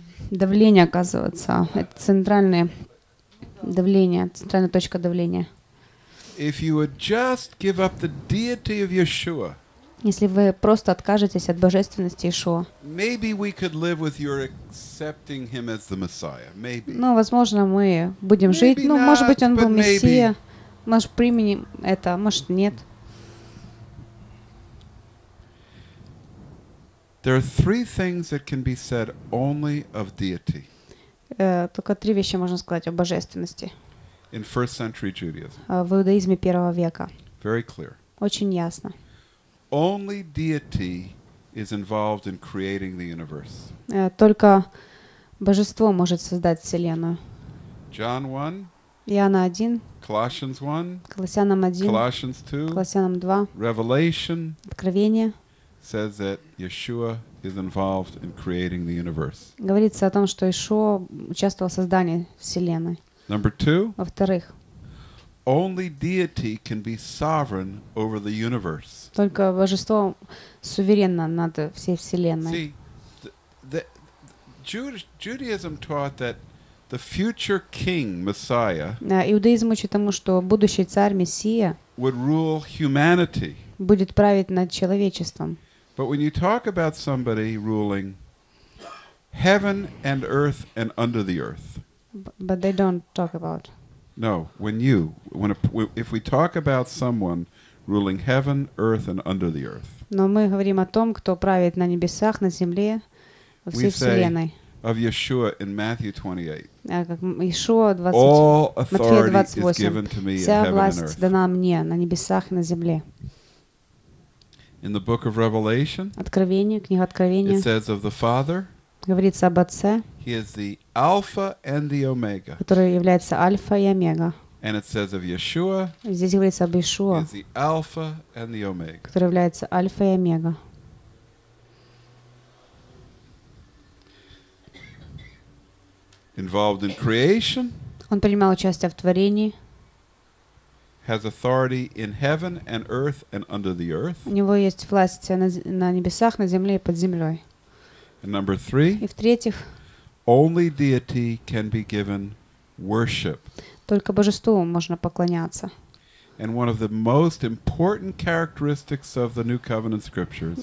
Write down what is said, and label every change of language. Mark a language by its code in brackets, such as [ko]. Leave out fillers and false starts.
[ru] Давление, оказывается, это центральное давление, центральная точка давления. [en] If you would just give up the deity of Yeshua, [ru] если вы просто откажетесь от божественности Иешуа, [en] maybe we could live with your accepting him as the Messiah. Maybe. [ru] Ну, возможно, мы будем [en] maybe [ru] жить. [en] Not, [ru] ну, может быть, он был Мессия. [en] Maybe. [ru] Может, применим это, может, нет. [en] There are three things that can be said only of deity. [ru] Только три вещи можно сказать о божественности. [en] In first century Judaism. [ru] В иудаизме первого века. [en] Very clear. [ru] Очень ясно. [en] Only deity is involved in creating the universe. [ru] Только божество может создать вселенную. [en] John 1. [ru] Иоанна 1. [en] Colossians 1. [ru] Колоссянам 1. [en] Colossians 2. [ru] Колоссянам 2. [en] Revelation. [ru] Откровение. [en] Says that Yeshua is involved in creating the universe. [ru] Говорится о том, что Иешуа участвовал в создании вселенной. [en] Number two. [ru] Во-вторых. [en] Only deity can be sovereign over the universe. [ru] Только божество суверенно над всей вселенной. [en] See, Judaism taught that the future king, Messiah. [ru] Иудаизм учит тому, что будущий царь Мессия. [en] Would rule humanity. [ru] Будет править над человечеством. [en] But when you talk about somebody ruling heaven and earth and under the earth. But they don't talk about. No, if we talk about someone ruling heaven, earth and under the earth. [ru] Но мы говорим о том, кто правит на небесах, на земле, во всей вселенной. [en] Of Yeshua in Matthew 28. [ru] А как Иешуа 28. [en] All authority is given to me in heaven and earth. [ru] Вся власть дана мне на небесах и на земле. [en] In the book of Revelation, [ru] Откровение, книга Откровения, [en] it says of the Father, [ru] говорится об Отце, [en] He is the Alpha and the Omega, [ru] который является Альфа и Омега. [en] And it says of Yeshua, [ru] здесь говорится об Иешуа, [en] He is the Alpha and the Omega, [ru] который является Альфа и Омега. [en] Involved in creation, [ru] он принимал участие в творении. [en] Has authority in heaven and earth and under the earth. [ru] У него есть власть на небесах, на земле и под землей. [en] And number three. [ru] И в-третьих. [en] Only deity can be given worship. [ru] Только божеству можно поклоняться. [en] And one of the most important characteristics of the New Covenant Scriptures.